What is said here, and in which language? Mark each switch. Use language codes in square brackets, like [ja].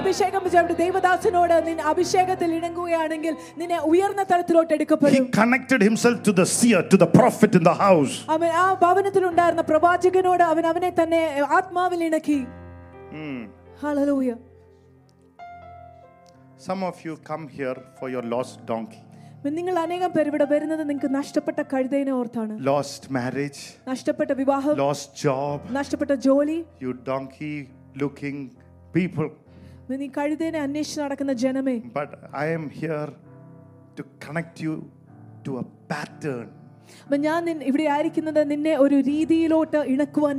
[ml] അഭിഷേകം ചെയ്യുന്ന ദൈവദാസനോട് നിൻ അഭിഷേകത്തിൽ ഇണങ്ങുകയാണെങ്കിൽ നിന്നെ ഉയർന്ന തലത്തിലോട്ട് എടുക്കപ്പെടും [en] he connected himself to the seer to the prophet in the house [ml] അമേ ആ ഭവനത്തിൽ ഉണ്ടായിരുന്ന പ്രവാചകനോട് അവൻ അവനെ തന്നെ ആത്മാവിൽ ഇണക്കി Hallelujah. [en] Some of you come here for your lost donkey. [ml] നിങ്ങൾ അനേകം പേർ ഇവിടെ വരുന്നത് നിങ്ങൾക്ക് നഷ്ടപ്പെട്ട കഴുതയെ ഓർത്താണ് [en] Lost marriage. [ml] നഷ്ടപ്പെട്ട വിവാഹം [en] Lost job. [ml] നഷ്ടപ്പെട്ട ജോലി [en] You donkey looking people. [ml] നിങ്ങൾ കഴുതയെ അന്വേഷിച്ച് നടക്കുന്ന ജനമേ [en] But I am here to connect you to a pattern. [ml] ഞാൻ ഇവിടെ ആയിരിക്കുന്നത് നിന്നെ ഒരു രീതിയിലോട്ട് ഇണക്കുവാൻ